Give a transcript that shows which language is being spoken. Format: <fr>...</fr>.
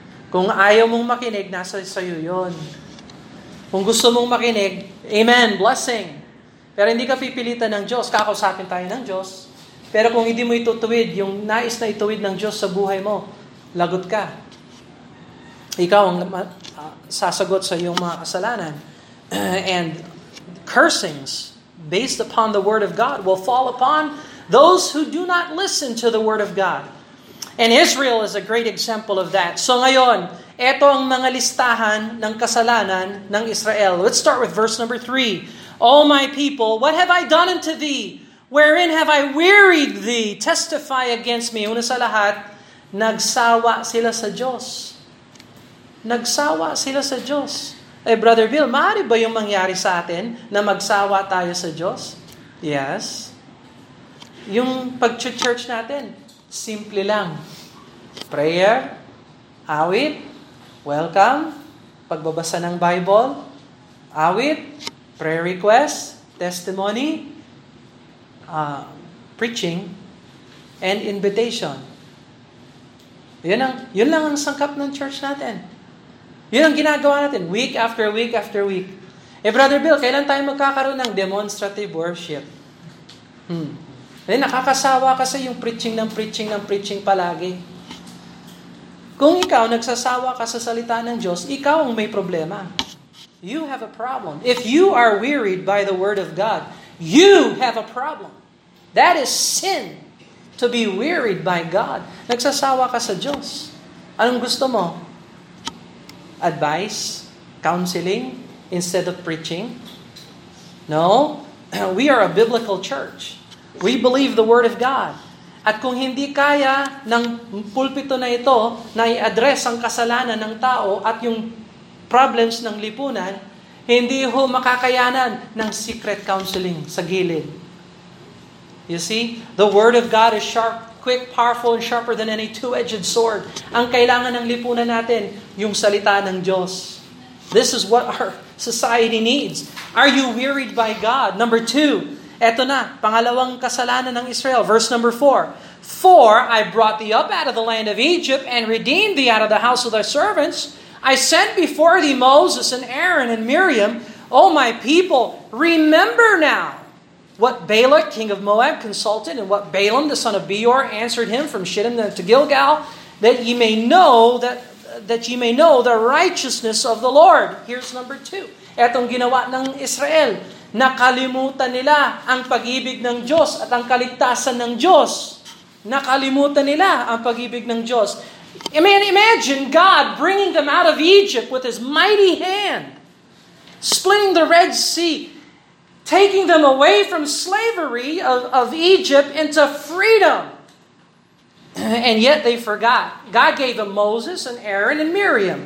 <tl>Kung ayaw mong makinig, nasa sayo yun. Kung gusto mong makinig, amen, blessing. Pero hindi ka pipilitan ng Diyos, kakausapin tayo ng Diyos. Pero kung hindi mo itutuwid, yung nais na ituwid ng Diyos sa buhay mo, lagot ka. Ikaw ang sasagot sa iyong mga kasalanan.</tl> <en>And cursings based upon the Word of God will fall upon those who do not listen to the Word of God. And Israel is a great example of that.</en> <tl>So ngayon, eto ang mga listahan ng kasalanan ng Israel.</tl> <en>Let's start with verse number 3. O my people, what have I done unto thee? Wherein have I wearied thee? Testify against me.</en> <tl>Una sa lahat, nagsawa sila sa Diyos. Nagsawa sila sa Diyos. Eh, Brother Bill, maaari ba yung mangyari sa atin na magsawa tayo sa Diyos? Yes. Yung pag-church natin, simple lang. Prayer, awit, welcome, pagbabasa ng Bible, awit, prayer request, testimony, preaching, and invitation. Yun lang ang sangkap ng church natin. Yun ang ginagawa natin</tl> <en>week after week after week.</en> <tl>Eh, Brother Bill, kailan tayo magkakaroon ng demonstrative worship? Eh, nakakasawa kasi yung preaching ng preaching ng preaching palagi. Kung ikaw nagsasawa ka sa salita ng Diyos, ikaw ang may problema.</tl> <en>You have a problem. If you are wearied by the Word of God, you have a problem. That is sin, to be wearied by God.</en> <tl>Nagsasawa ka sa Diyos. Anong gusto mo? Advice? Counseling?</tl> <en>Instead of preaching? No. We are a biblical church. We believe the Word of God.</en> <tl>At kung hindi kaya ng pulpito na ito na i-address ang kasalanan ng tao at yung problems ng lipunan, hindi ho makakayanan ng secret counseling sa gilid.</tl> <en>You see? The Word of God is sharp, quick, powerful, and sharper than any two-edged sword.</en> <tl>Ang kailangan ng lipunan natin, yung salita ng Diyos.</tl> <en>This is what our society needs. Are you wearied by God?</en> <tl>Number two, eto na, pangalawang kasalanan ng Israel. Verse number four.</tl> <en>For I brought thee up out of the land of Egypt and redeemed thee out of the house of thy servants. I sent before thee Moses and Aaron and Miriam. O my people, remember now what Balak, king of Moab, consulted and what Balaam, the son of Beor, answered him from Shittim to Gilgal, that ye may know that ye may know the righteousness of the Lord. Here's number two.</en> <tl>Etong ginawa ng Israel. Nakalimutan nila ang pag-ibig ng Diyos at ang kaligtasan ng Diyos. Nakalimutan nila ang pag-ibig ng Diyos.</tl> <en>I mean, imagine God bringing them out of Egypt with His mighty hand, splitting the Red Sea, taking them away from slavery of Egypt into freedom. And yet they forgot. God gave them Moses and Aaron and Miriam.</en>